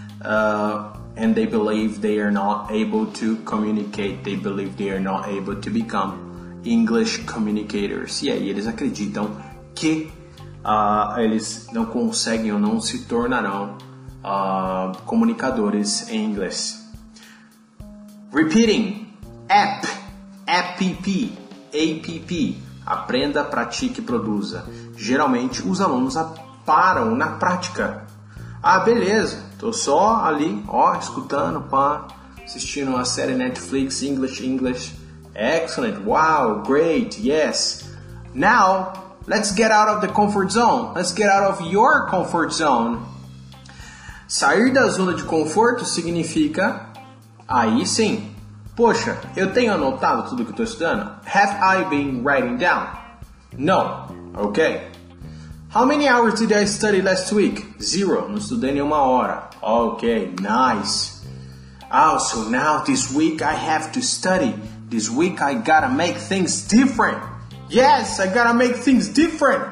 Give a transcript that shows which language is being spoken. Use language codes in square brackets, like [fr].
[en] And they believe they are not able to communicate, they believe they are not able to become English communicators. [pt] E aí eles acreditam que eles não conseguem ou não se tornarão comunicadores em inglês. [en] Repeating, app, app, app, [pt] Aprenda, pratique e produza. Geralmente, os alunos param na prática. Ah, beleza. Tô só ali, ó, escutando, pá, assistindo uma série Netflix, English. [en] Excellent. Wow, great, yes. Now, let's get out of the comfort zone. Let's get out of your comfort zone. [pt] Sair da zona de conforto significa... Aí sim. Poxa, eu tenho anotado tudo que estou estudando? [en] Have I been writing down? No. Okay. How many hours did I study last week? Zero. [pt] Não estudei nenhuma hora. [en] Okay, nice. Oh, so now this week I have to study. This week I gotta make things different. Yes, I gotta make things different.